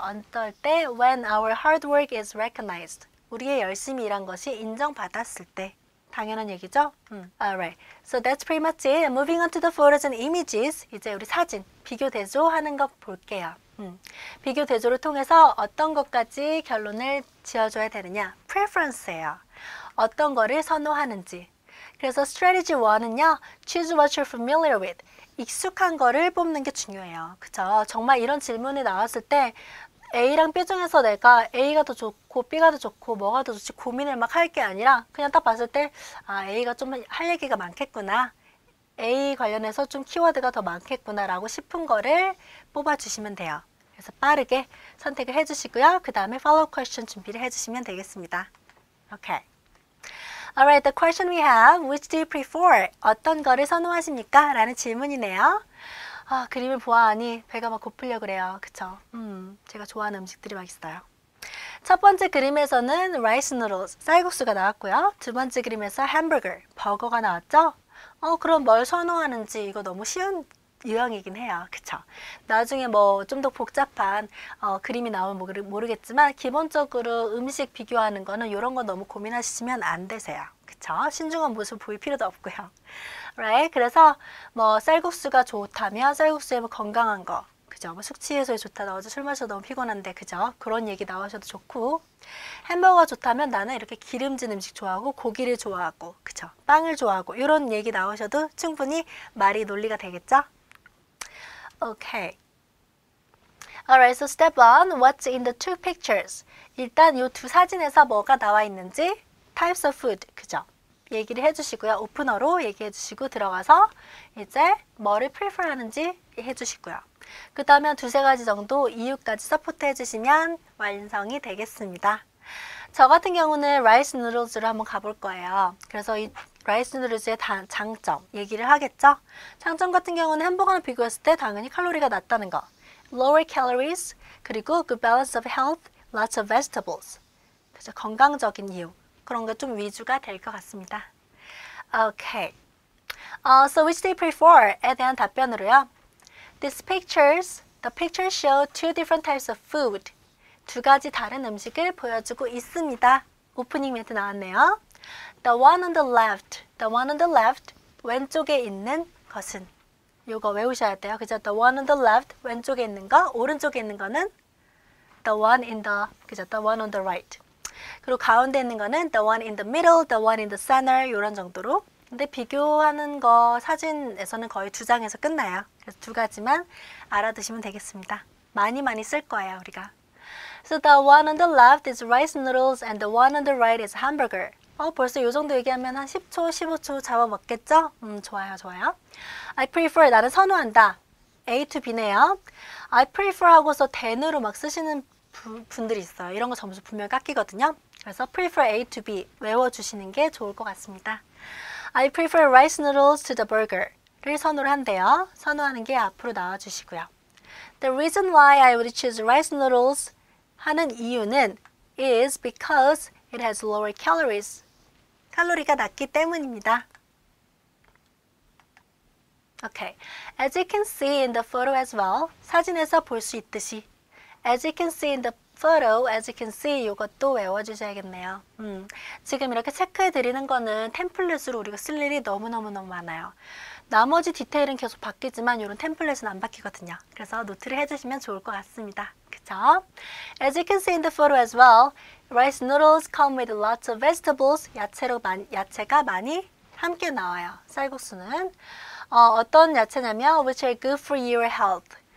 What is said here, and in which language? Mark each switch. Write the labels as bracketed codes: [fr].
[ko] 어떨 때 [en] when our hard work is recognized. [ko] 우리의 열심히 일한 것이 인정받았을 때. 당연한 얘기죠? [en] Alright, so that's pretty much it. Moving on to the photos and images. [ko] 이제 우리 사진, 비교 대조 하는 거 볼게요. 비교 대조를 통해서 어떤 것까지 결론을 지어줘야 되느냐 preference예요. 어떤 거를 선호하는지 그래서 strategy 1은요 [en] choose what you're familiar with [ko] 익숙한 거를 뽑는 게 중요해요. 그쵸? 정말 이런 질문이 나왔을 때 A랑 B 중에서 내가 A가 더 좋고 B가 더 좋고 뭐가 더 좋지 고민을 막할게 아니라 그냥 딱 봤을 때, 아, A가 좀할 얘기가 많겠구나. A 관련해서 좀 키워드가 더 많겠구나라고 싶은 거를 뽑아주시면 돼요. 그래서 빠르게 선택을 해주시고요. 그 다음에 follow question 준비를 해주시면 되겠습니다. Okay. [en] Alright, the question we have, which do you prefer? [ko] 어떤 거를 선호하십니까? 라는 질문이네요. 아, 그림을 보아하니 배가 막 고프려고 그래요. 그쵸? 제가 좋아하는 음식들이 막 있어요. 첫 번째 그림에서는 rice noodles, 쌀국수가 나왔고요. 두 번째 그림에서 hamburger, 버거가 나왔죠? 그럼 뭘 선호하는지 이거 너무 쉬운 유형이긴 해요. 그쵸? 나중에 뭐좀더 복잡한 그림이 나오면 모르겠지만 기본적으로 음식 비교하는 거는 이런 거 너무 고민하시면 안 되세요. 그쵸? 신중한 모습 보일 필요도 없고요. [en] Right? [ko] 그래서 뭐 쌀국수가 좋다면 쌀국수에 뭐 건강한 거, 그죠? 뭐 숙취 해소에 좋다. 나 어제 술 마셔도 너무 피곤한데, 그죠? 그런 얘기 나오셔도 좋고. 햄버거 좋다면 나는 이렇게 기름진 음식 좋아하고 고기를 좋아하고, 그죠? 빵을 좋아하고 이런 얘기 나오셔도 충분히 말이 논리가 되겠죠? [en] Okay. Alright, so step one, what's in the two pictures? [ko] 일단 이두 사진에서 뭐가 나와 있는지 types of food, 그죠? 얘기를 해주시고요. 오프너로 얘기해 주시고 들어가서 이제 뭐를 프리퍼 하는지 해주시고요. 그 다음에 두세 가지 정도 이유까지 서포트 해주시면 완성이 되겠습니다. 저 같은 경우는 라이스 누들즈로 한번 가볼 거예요. 그래서 이 라이스 누들즈의 장점 얘기를 하겠죠? 장점 같은 경우는 햄버거랑 비교했을 때 당연히 칼로리가 낮다는 거. [en] Lower calories, 그리고 good balance of health, lots of vegetables. [ko] 그래서 건강적인 이유. 그런 게좀 위주가 될것 같습니다. [en] Okay. So which do you prefer?에 [ko] 대한 답변으로요. [en] The pictures show two different types of food. [ko] 두 가지 다른 음식을 보여주고 있습니다. 오프닝 멘트 나왔네요. [en] The one on the left, [ko] 왼쪽에 있는 것은. 요거 외우셔야 돼요. 그죠? [en] The one on the left, [ko] 왼쪽에 있는 거, 오른쪽에 있는 거는 그죠? [en] The one on the right. [ko] 그리고 가운데 있는 거는 [en] the one in the middle, the one in the center, [ko] 이런 정도로. 근데 비교하는 거 사진에서는 거의 두 장에서 끝나요. 그래서 두 가지만 알아두시면 되겠습니다. 많이 많이 쓸 거예요, 우리가. [en] So the one on the left is rice noodles and the one on the right is hamburger. [ko] 벌써 요 정도 얘기하면 한 10초, 15초 잡아먹겠죠? 좋아요, 좋아요. [en] I prefer, [ko] 나는 선호한다. A to B네요. I prefer 하고서 den으로 막 쓰시는 분들이 있어요. 이런 거 점수 분명 깎이거든요. 그래서 prefer A to B 외워주시는 게 좋을 것 같습니다. [en] I prefer rice noodles to the burger를 [ko] 선호를 한대요. 선호하는 게 앞으로 나와주시고요. [en] The reason why I would choose rice noodles [ko] 하는 이유는 [en] is because it has lower calories. [ko] 칼로리가 낮기 때문입니다. [en] Okay. As you can see in the photo as well, [ko] 사진에서 볼수 있듯이 [en] As you can see in the photo, as you can see, [ko] 이것도 외워주셔야겠네요. 지금 이렇게 체크해드리는 거는 템플릿으로 우리가 쓸 일이 너무너무너무 많아요. 나머지 디테일은 계속 바뀌지만 이런 템플릿은 안 바뀌거든요. 그래서 노트를 해주시면 좋을 것 같습니다. 그쵸? [en] As you can see in the photo as well, rice noodles come with lots of vegetables. [ko] 야채가 많이 함께 나와요. 쌀국수는. 어떤 야채냐면, [en] which are good for your health.